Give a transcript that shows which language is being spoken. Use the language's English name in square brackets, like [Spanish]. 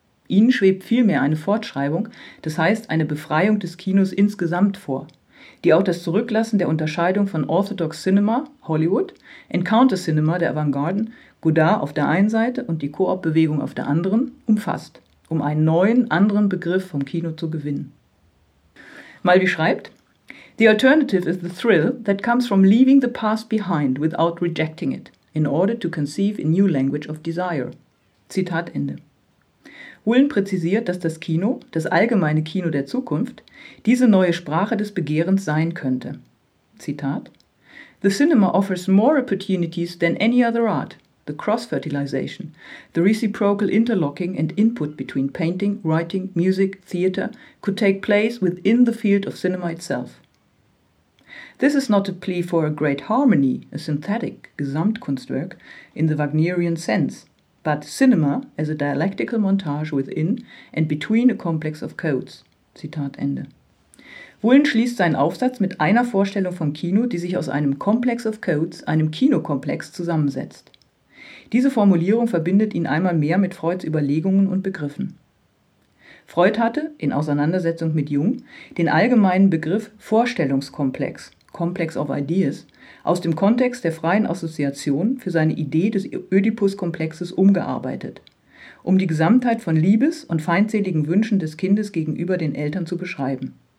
[German] Ihnen schwebt vielmehr eine Fortschreibung, das heißt eine Befreiung des Kinos insgesamt vor, die auch das Zurücklassen der Unterscheidung von Orthodox Cinema, Hollywood, und Counter Cinema der Avantgarden, Godard auf der einen Seite und die Koop-Bewegung auf der anderen, umfasst, um einen neuen, anderen Begriff vom Kino zu gewinnen. Mulvey schreibt: [English] "The alternative is the thrill that comes from leaving the past behind without rejecting it, in order to conceive a new language of desire." [German] Zitat Ende. Whelan präzisiert, dass das Kino, das allgemeine Kino der Zukunft, diese neue Sprache des Begehrens sein könnte. [English] Zitat: "The cinema offers more opportunities than any other art, the cross-fertilization, the reciprocal interlocking and input between painting, writing, music, theater could take place within the field of cinema itself. This is not a plea for a great harmony, a synthetic Gesamtkunstwerk in the Wagnerian sense, but cinema as a dialectical montage within and between a complex of codes." [German] Zitat Ende. Whelan schließt seinen Aufsatz mit einer Vorstellung von Kino, die sich aus einem Complex of Codes, einem Kinokomplex, zusammensetzt. Diese Formulierung verbindet ihn einmal mehr mit Freuds Überlegungen und Begriffen. Freud hatte, in Auseinandersetzung mit Jung, den allgemeinen Begriff Vorstellungskomplex, Complex of Ideas, aus dem Kontext der freien Assoziation für seine Idee des Ödipus-Komplexes umgearbeitet, um die Gesamtheit von Liebes- und feindseligen Wünschen des Kindes gegenüber den Eltern zu beschreiben.